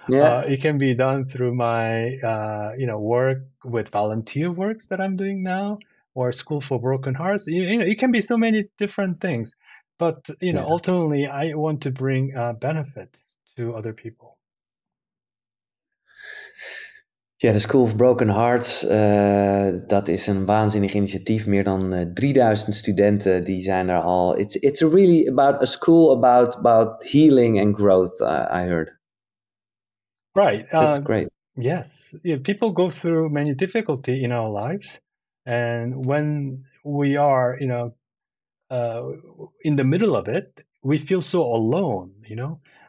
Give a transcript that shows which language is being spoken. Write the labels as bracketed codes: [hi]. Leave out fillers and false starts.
[en] It can be done through my work with volunteer works that I'm doing now, or School for Broken Hearts. It can be so many different things, but ultimately I want to bring benefit to other people. [nl] Ja, de School of Broken Hearts, dat is een waanzinnig initiatief. Meer dan 3000 studenten die zijn er al. [en] It's really about a school about healing and growth, I heard. Right. That's great. Yes. Yeah, people go through many difficulty in our lives. And when we are, you know, in the middle of it, we feel so alone, you know.